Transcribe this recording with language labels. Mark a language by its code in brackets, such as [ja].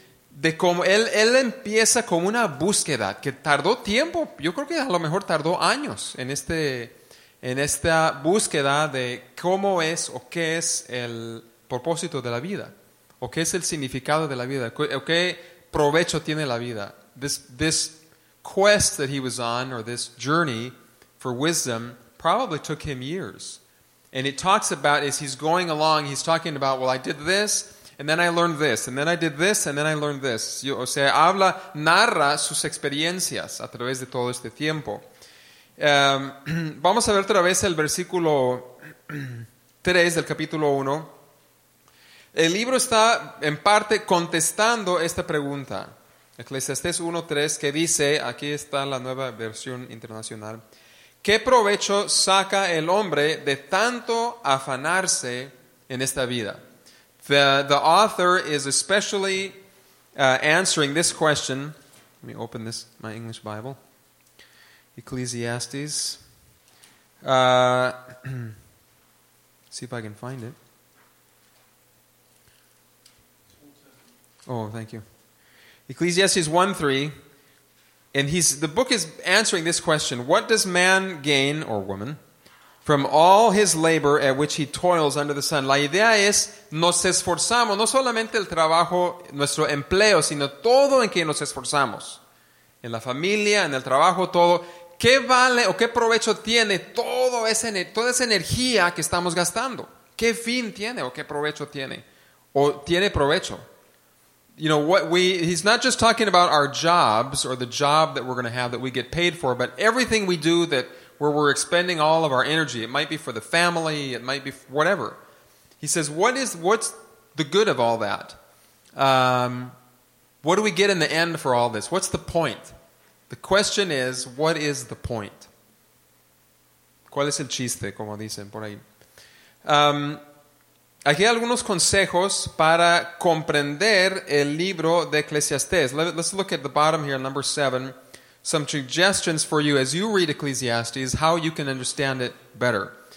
[es] De cómo él empieza con una búsqueda que tardó tiempo. Yo creo que a lo mejor tardó años en esta búsqueda de cómo es o qué es el propósito de la vida. O qué es el significado de la vida. O qué provecho tiene la vida. [en] This quest that he was on, or this journey for wisdom, probably took him years. And it talks about, as he's going along, he's talking about, well, I did this, and then I learned this, and then I did this, and then I learned this. [es] O sea, habla, narra sus experiencias a través de todo este tiempo. Vamos a ver otra vez el versículo 3 del capítulo 1. El libro está, en parte, contestando esta pregunta. Eclesiastés 1:3, que dice, aquí está la nueva versión internacional: ¿qué provecho saca el hombre de tanto afanarse en esta vida? [en] The author is especially answering this question. Let me open this, my English Bible. Ecclesiastes. see if I can find it. Oh, thank you. Ecclesiastes 1:3. And the book is answering this question: what does man gain, or woman, from all his labor at which he toils under the sun? [es] La idea es, nos esforzamos, no solamente el trabajo, nuestro empleo, sino todo en que nos esforzamos. En la familia, en el trabajo, todo. ¿Qué vale o qué provecho tiene toda esa energía que estamos gastando? ¿Qué fin tiene o qué provecho tiene? ¿O tiene provecho? [en] You know what he's not just talking about our jobs or the job that we're going to have that we get paid for, but everything we do that where we're expending all of our energy. It might be for the family, it might be whatever. He says, what's the good of all that? What do we get in the end for all this? What's the point? The question is, what is the point? [es] ¿Cuál es el chiste, como dicen por ahí? Aquí hay algunos consejos para comprender el libro de Eclesiastés. [en] Let's look at the bottom here, number 7. Some suggestions for you as you read Ecclesiastes, how you can understand it better.